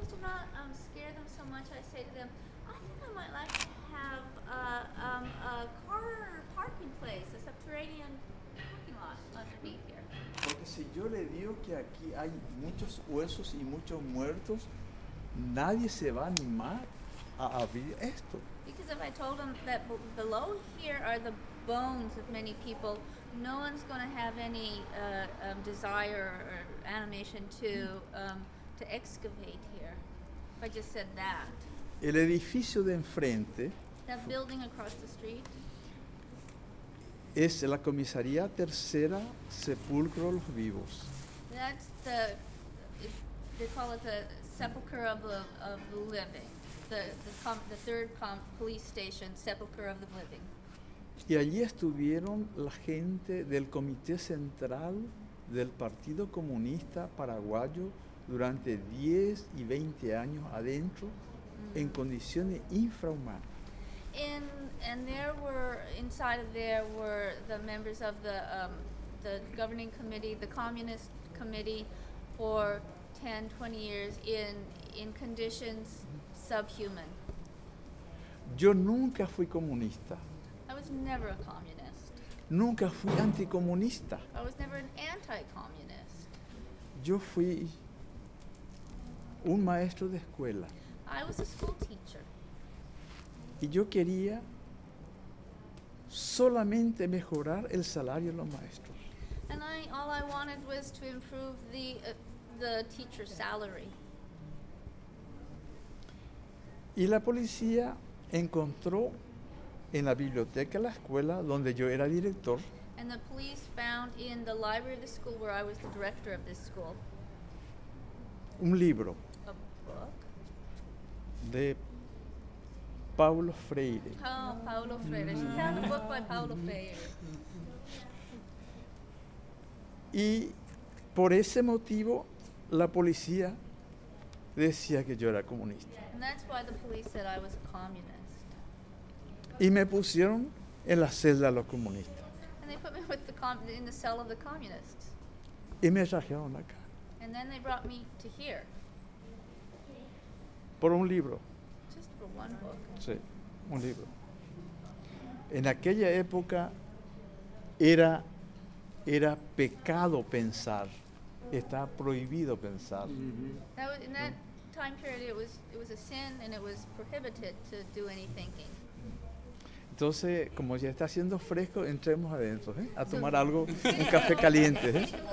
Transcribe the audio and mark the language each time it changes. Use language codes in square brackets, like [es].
[en] supposed to not scare them so much. I say to them, I think I might like to have a car parking place, a subterranean parking lot underneath here. [es] Porque si yo le digo que aquí hay muchos huesos y muchos muertos, nadie se va a animar a abrir esto. [en] Because if I told them that below here are the bones of many people, no one's going to have any desire or animation to excavate here. If I just said that. [es] El edificio de enfrente. [en] That building across the street. [es] Es la comisaría tercera, sepulcro de los vivos. [en] That's the, they call it the sepulcher of the living. The third police station, sepulcher of the living. [es] Y allí estuvieron la gente del Comité Central del Partido Comunista Paraguayo durante 10 y 20 años adentro, en condiciones infrahumanas. [en] And there were, inside of there were the members of the governing committee, the communist committee, for 10, 20 years in conditions subhuman. [es] Yo nunca fui comunista. [en] I was never a communist. [es] Nunca fui anticomunista. [en] I was never an anti-communist. [es] Yo fui un maestro de escuela. [en] I was a school teacher. [es] Y yo quería solamente mejorar el salario de los maestros. [en] And all I wanted was to improve the teacher's salary. [es] Y la policía encontró en la biblioteca de la escuela donde yo era director. [en] And the police found in the library of the school where I was the director of this school. [es] Un libro. [en] A book. [es] De Paulo Freire. [en] Oh, Paulo Freire. She found a book by Paulo Freire. [es] Y por ese motivo, la policía decía que yo era comunista. [en] And that's why the police said I was a communist. [es] Y me pusieron en la celda de los comunistas. [en] And they put me with in the cell of the communists. [es] Y me trajeron acá. [en] And then they brought me to here. [es] Por un libro. [en] One book. [es] Sí, un libro. En aquella época era pecado pensar. Estaba prohibido pensar. Mm-hmm. [en] That was, in that time period it was a sin and it was prohibited to do any thinking. [es] Entonces, como ya está haciendo fresco, entremos adentro, a tomar algo, un café caliente,